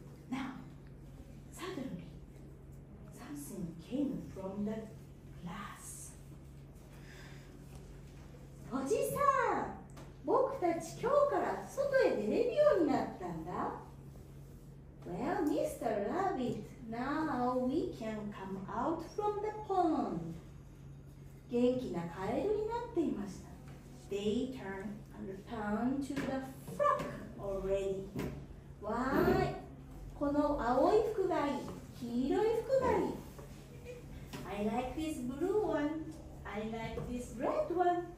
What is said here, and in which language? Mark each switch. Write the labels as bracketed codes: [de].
[en] Now, suddenly, something came from the [ja] おじさん、僕たち今日から外へ出れるようになったんだ。 [en] Well, Mr. Rabbit, now we can come out from the pond. [ja] 元気なカエルになっていました。 [en] They turned to the frog already. [ja] わーい、この青い服がいい。黄色い服がいい。 [en] I like this blue one. I like this red one.